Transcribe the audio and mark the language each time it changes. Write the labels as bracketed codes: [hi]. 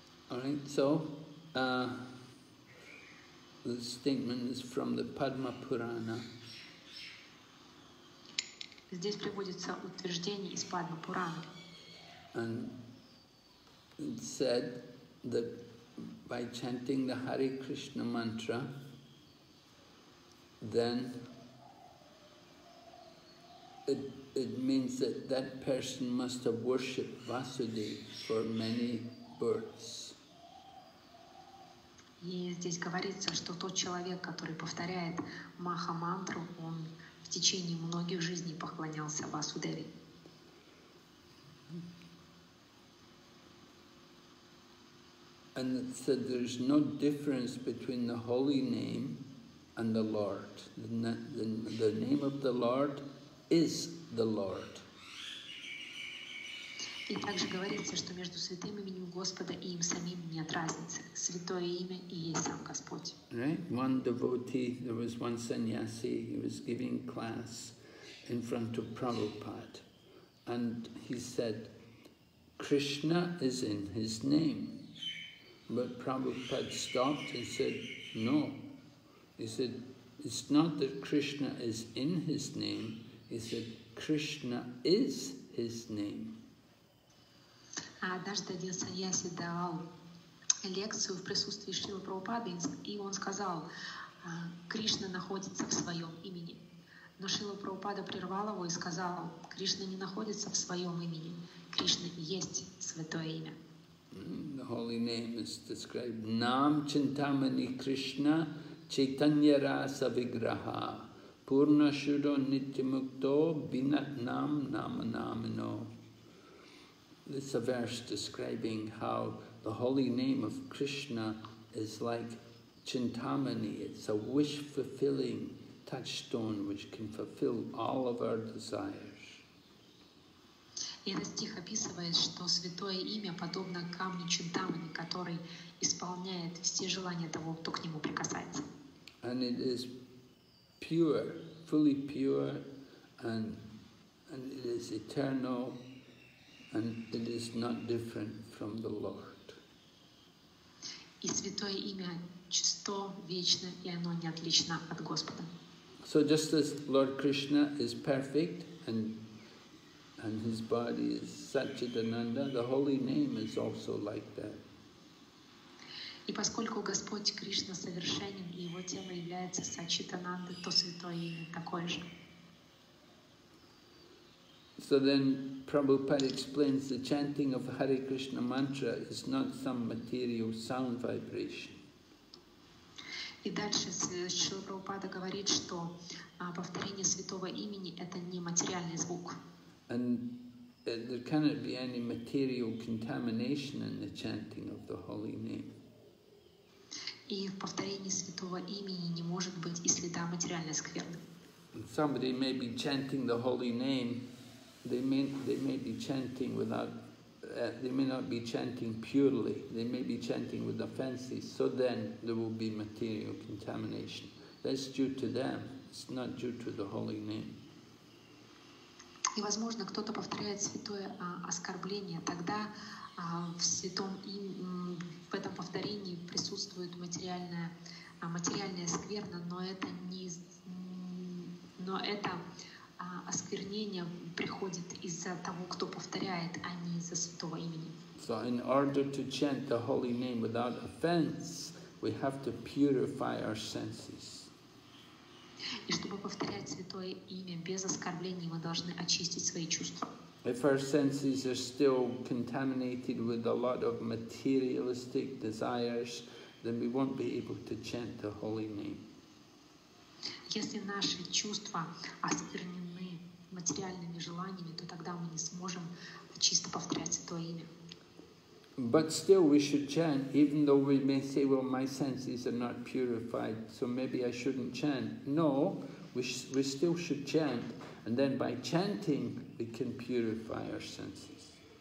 [en] All right, so the statement is from the Padma Purana. [ru] Здесь приводится утверждение из Падма Пурана. [en] It said that by chanting the Hare Krishna mantra, then it means that that person must have worshipped Vasudeva for many births. [ru] И здесь говорится, что тот человек, который повторяет Маха мантру, он в течение многих жизней поклонялся Васудеве. [en] And it said there's no difference between the holy name and the Lord. The name of the Lord is the Lord. [ru] И также говорится, что между святым именем Господа и им самим нет разницы. Святое имя и есть сам Господь. [en] Right? One devotee, there was one sannyasi, he was giving class in front of Prabhupada. And he said, Krishna is in his name. But Prabhupada stopped and said, no. He said, it's not that Krishna is in his name. He said, Krishna is his name. [ru] Однажды один саньяси дал лекцию в присутствии Шрилы Прабхупады, и он сказал, Кришна находится в своем имени. Но Шрила Прабхупада прервал его и сказал, Кришна не находится в своем имени, Кришна есть святое имя. [en] The holy name is described [sa] Nam Chintamani Krishna Chaitanya Rasa Vigraha Purna Shudo Nityamukto Binat Nam Namanamino. [en] It's a verse describing how the holy name of Krishna is like Chintamani. It's a wish-fulfilling touchstone which can fulfill all of our desires. [ru] И этот стих описывает, что святое имя подобно камню Чинтамани, который исполняет все желания того, кто к нему прикасается. [en] And it is pure, fully pure, and it is eternal, and it is not different from the Lord. [ru] И святое имя чисто, вечно, и оно не отлично от Господа. [en] So just as Lord Krishna is perfect and his body is Satchidananda, the holy name is also like that. [ru] И поскольку Господь Кришна совершенен, и его тело является Сатчитананда, то святое имя такое же. [en] So then Prabhupada explains the chanting of Hare Krishna mantra is not some material sound vibration. [ru] И дальше Шрила Прабхупада говорит, что повторение святого имени — это не материальный звук. [en] And there cannot be any material contamination in the chanting of the holy name. [ru] И в повторении святого имени не может быть и следа материальной скверны. [en] Somebody may be chanting the holy name, they may be chanting without, they may not be chanting purely, they may be chanting with offenses, so then there will be material contamination. That's due to them, it's not due to the holy name. [ru] И, возможно, кто-то повторяет святое оскорбление. Тогда в святом в этом повторении присутствует материальная скверна, но это осквернение приходит из-за того, кто повторяет, а не из-за святого имени. [en] So in order to chant the holy name without offense, we have to purify our senses. [ru] И чтобы повторять святое имя без оскорблений, мы должны очистить свои чувства. [en] If our senses are still contaminated with a lot of materialistic desires, then we won't be able to chant the holy name. [ru] Если наши чувства осквернены материальными желаниями, то тогда мы не сможем чисто повторять святое имя. [en] But still we should chant, even though we may say, well, my senses are not purified, so maybe I shouldn't chant. No, we still should chant, and then by chanting, we can purify our senses.